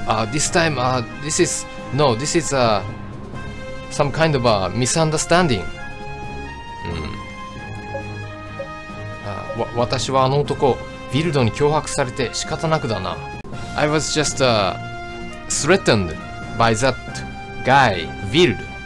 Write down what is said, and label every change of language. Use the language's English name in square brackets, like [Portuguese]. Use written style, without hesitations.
[English] This time, this is, no, this is, some kind of a misunderstanding. [Japanese] 私はあの男、ビルドに脅迫されて仕方なくだな。 [English] I was just, threatened by that guy, Vild.